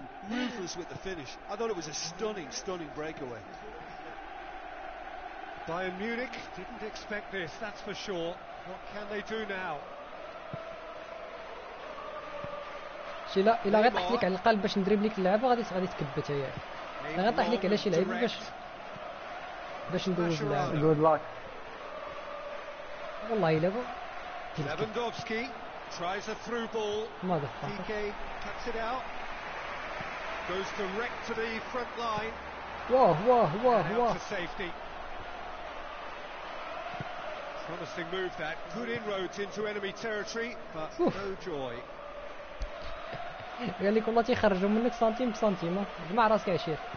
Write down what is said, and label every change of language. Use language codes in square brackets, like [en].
[en] Ruthless with the finish. I thought it was a stunning breakaway. Bayern Munich didn't expect this, that's for sure. What can they do now? [ar] شي لا الا غير طحت لك على القلب باش ندرب لك اللعبه غادي تكبت هي لا غير طح لك على شي لعيب باش ندوز [en] good luck [ar] والله الا بو [en] Lewandowski tries a through ball [ar] ماذا [en] PK cuts it out goes direct to the front line واه واه واه واه Promising move that. Good inroads into enemy territory, but Oof. No joy. [ar] قال لك والله تيخرجوا منك سنتيم بسنتيم جمع راسك يا شيخ